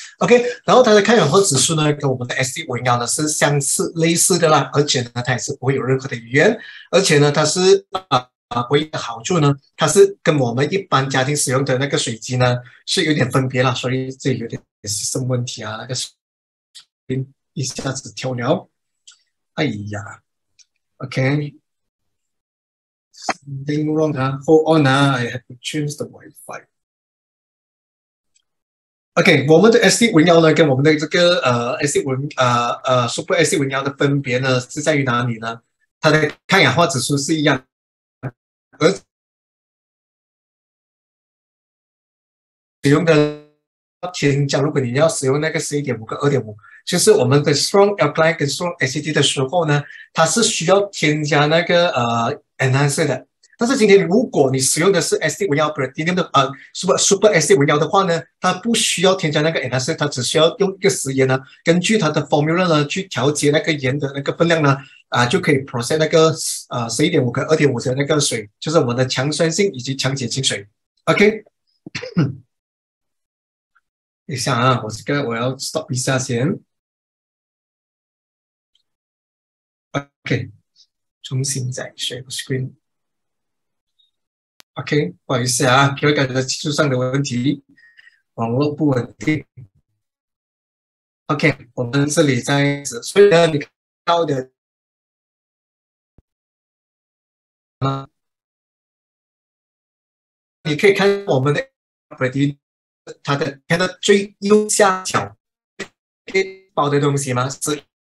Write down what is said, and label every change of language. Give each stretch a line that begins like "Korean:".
Chinese: OK， 然后它的抗氧化指数呢跟我们的 SD 五零幺呢是相似类似的啦，而且呢它也是不会有任何的余烟，而且呢它是唯一的好处呢，它是跟我们一般家庭使用的那个水机呢是有点分别啦，所以这有点是什么问题啊？那个水一下子跳了，哎呀 ，OK。
English: Something wrong, huh? Hold on, I have to change the Wi-Fi.
Chinese: Okay, 我们的 SD 五零幺呢，跟我们的这个SD 五Super SD 五零幺的分别呢，是在于哪里呢？它的抗氧化指数是一样，而使用的添加，如果你要使用那个 11.5 跟 2.5， 就是我们的 Strong Alkali 跟 Strong Acid 的时候呢，它是需要添加那个 Enhancer 的，但是今天如果你使用的是 SD 五幺 Platinum 的Super SD 五幺的话呢，它不需要添加那个 Enhancer， 它只需要用一个食盐呢，根据它的 formula 呢去调节那个盐的那个分量呢，就可以 process 那个11.5跟2.5的那个水，就是我们的强酸性以及强碱性水。 OK， 一下啊，我要 stop 一下先。 OK。重新再 share screen。 OK， 不好意思啊，给我感觉技术上的问题，网络不稳定。 OK， 我们这里在，所以呢，你看到的你可以看我们的 Brady， 它的看到最右下角包的东西吗？是。